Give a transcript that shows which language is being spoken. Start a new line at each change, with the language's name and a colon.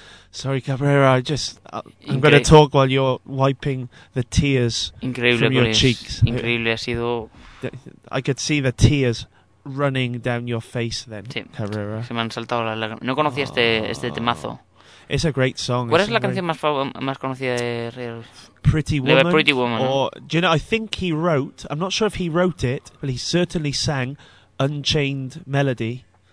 English: Sorry, Cabrera, I'm going to talk while you're wiping the tears
Spanish: increíble
English: from your cheeks.
Spanish: Increíble, ha sido...
English: I could see the tears running down your face then,
Spanish: sí. Cabrera. Se me han saltado las lágrimas. No conocía este temazo.
English: It's a great song.
Spanish: ¿Cuál es la canción más conocida de Real?
English: Pretty Woman. Or, do you know, I think he wrote, I'm not sure if he wrote it, but he certainly sang Unchained Melody.